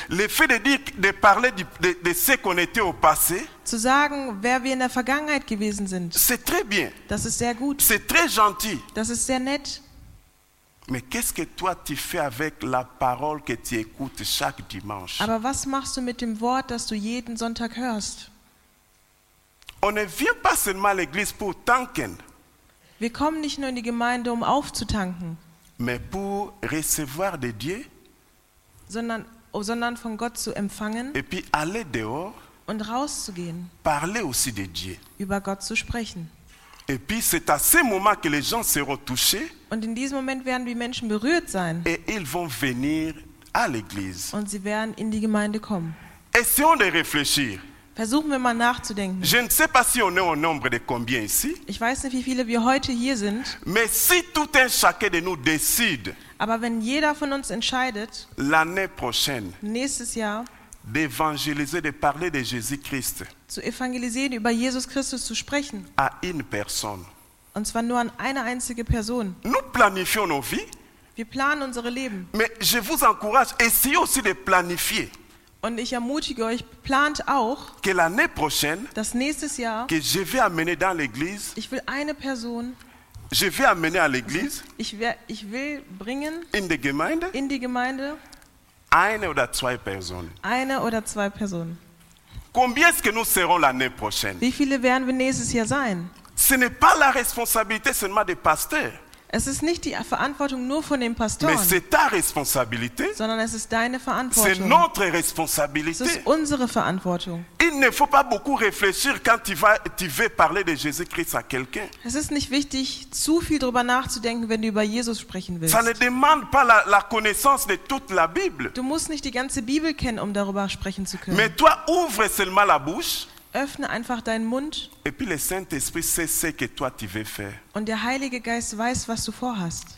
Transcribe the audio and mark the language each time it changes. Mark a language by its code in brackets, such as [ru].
[fr] le fait de dire, de parler de ce qu'on était au passé, [de] zu sagen, wer wir in der Vergangenheit gewesen sind, [fr] c'est très bien. [de] Das ist sehr gut. [fr] C'est très gentil. [de] Das ist sehr nett. [fr] Mais qu'est-ce que toi tu fais avec la parole que tu écoutes chaque dimanche? [de] Aber was machst du mit dem Wort, das du jeden Sonntag hörst? [fr] On ne vient pas seulement à l'église pour tanken. [de] Wir kommen nicht nur in die Gemeinde, um aufzutanken. [fr] Mais pour recevoir de Dieu. [de] Sondern von Gott zu empfangen. [fr] Et puis aller dehors. [de] Und rauszugehen. [fr] Parler aussi de Dieu. [de] Über Gott zu sprechen. [fr] Et puis c'est à ce moment que les gens seront touchés. [de] Und in diesem Moment werden die Menschen berührt sein. [fr] Et ils vont venir à l'église. [de] Und sie werden in die Gemeinde kommen. [fr] Essayons de réfléchir. [de] Versuchen wir mal nachzudenken. [fr] Je ne sais pas si on est au nombre de combien ici. [de] Ich weiß nicht, wie viele wir heute hier sind. [fr] Mais si tout un chacun de nous décide. [de] Aber wenn jeder von uns entscheidet. [fr] L'année prochaine. [de] Nächstes Jahr. [fr] D'évangéliser, de parler de Jésus-Christ. [de] Zu evangelisieren, über Jesus Christus zu sprechen. [fr] À une personne. [de] Und zwar nur an eine einzige Person. [fr] Nous planifions nos vies. [de] Wir planen unsere Leben. [fr] Mais je vous encourage, essayez aussi de planifier. [de] Und ich ermutige euch, plant auch. [fr] Que l'année prochaine. [de] Das nächstes Jahr. [fr] Que je vais amener dans l'église. [de] Ich will eine Person. [fr] Je vais amener à l'église. [de] Ich will bringen. In die Gemeinde. In die Gemeinde. Eine oder zwei Personen. Eine oder zwei Personen. [fr] Combien est-ce que nous serons l'année prochaine? [de] Wie viele werden wir nächstes Jahr sein? [fr] Ce n'est pas la responsabilité seulement des pasteurs. [de] Es ist nicht die Verantwortung nur von den Pastoren. [fr] Mais c'est ta responsabilité. [de] Sondern es ist deine Verantwortung. [fr] C'est notre responsabilité. [de] Es ist unsere Verantwortung. [fr] Il ne faut pas beaucoup réfléchir quand tu veux parler de Jésus-Christ à quelqu'un. [de] Es ist nicht wichtig, zu viel darüber nachzudenken, wenn du über Jesus sprechen willst. [fr] Ça ne demande pas la connaissance de toute la Bible. [de] Du musst nicht die ganze Bibel kennen, um darüber sprechen zu können. [fr] Mais toi, ouvre seulement la bouche. [de] Öffne einfach deinen Mund. [fr] Et puis le Saint-Esprit sait ce que toi tu veux faire. [de] Und der Heilige Geist weiß, was du vorhast.